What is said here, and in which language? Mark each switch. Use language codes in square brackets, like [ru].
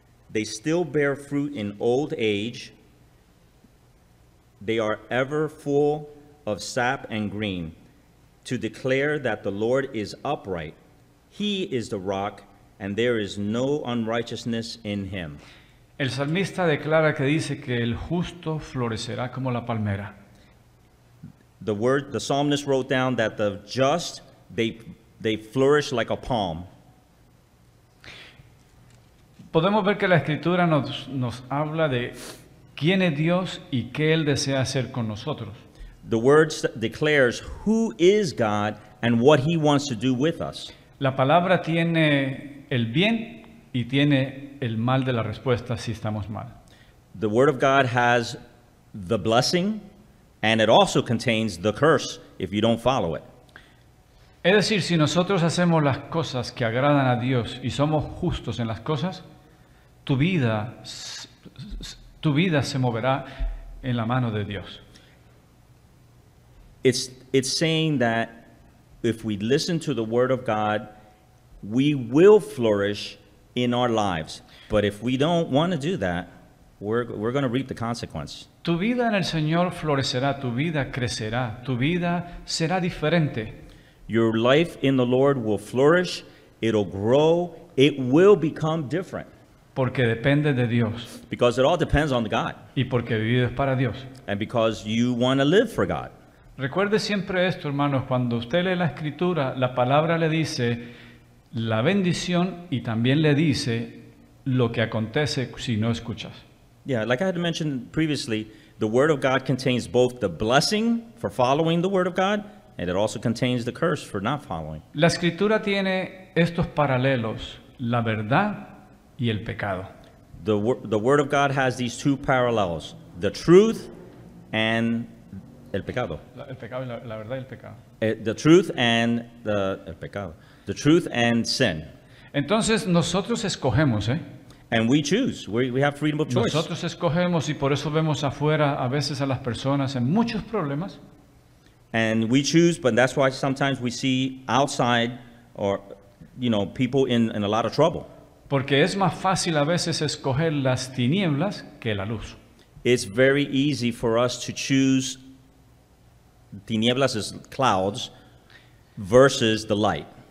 [en] They still bear fruit in old age. They are ever full of sap and green to declare that the Lord is upright. He is the rock, and there is no unrighteousness in him. [es] El salmista declara que dice que el justo florecerá como la palmera. [en] The psalmist wrote down that the just, they flourish like a palm. [es] Podemos ver que la escritura nos habla de quién es Dios y qué Él desea hacer con nosotros. [en] The word declares who is God and what He wants to do with us. [es] La palabra tiene el bien y tiene el mal de la respuesta si estamos mal. [en] The word of God has the blessing and it also contains the curse if you don't follow it. [es] Es decir, si nosotros hacemos las cosas que agradan a Dios y somos justos en las cosas, tu vida se moverá en la mano de Dios. [en] It's saying that if we listen to the word of God, we will flourish in our lives. But if we don't want to do that, we're going to reap the consequence. [es] Tu vida en el Señor florecerá, tu vida crecerá, tu vida será diferente. [en] Your life in the Lord will flourish, it'll grow, it will become different. [es] Porque depende de Dios. [en] Because it all depends on God. [es] Y porque vives para Dios. [en] And because you want to live for God. [es] Recuerde siempre esto, hermanos, cuando usted lee la escritura, la palabra le dice la bendición y también le dice lo que acontece si no escuchas. [en] Yeah, like I had mentioned previously, the word of God contains both the blessing for following the word of God and it also contains the curse for not following. [es] La escritura tiene estos paralelos, la verdad y el pecado. [en] The word of God has these two parallels, the truth and [es] el pecado. El pecado, la verdad y el pecado. [en] The truth and the [es] el pecado. [en] The truth and sin. [es] Entonces nosotros escogemos, ¿eh? [en] And we choose. We have freedom of choice. [es] Nosotros escogemos y por eso vemos afuera a veces a las personas en muchos problemas. [en] And we choose, but that's why sometimes we see outside or, you know, people in a lot of trouble. [es] Porque es más fácil a veces escoger las tinieblas que la luz. [en] It's very easy for us to choose tinieblas as clouds versus the light.